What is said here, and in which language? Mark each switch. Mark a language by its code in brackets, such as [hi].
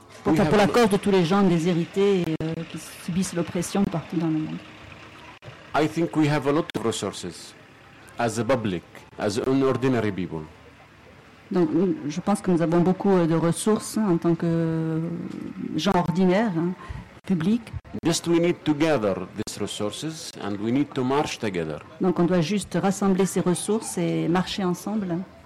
[fr] Enfin, pour la cause de tous les gens déshérités qui subissent l'oppression partout dans le monde. [en] I think we have a lot of resources as a public, as an ordinary people. [fr] Donc, je pense que nous avons beaucoup de ressources en tant que gens ordinaires, hein, publics. [en] Just we need to gather these resources and we need to march together. [fr] Donc, on doit juste rassembler ces ressources et marcher ensemble.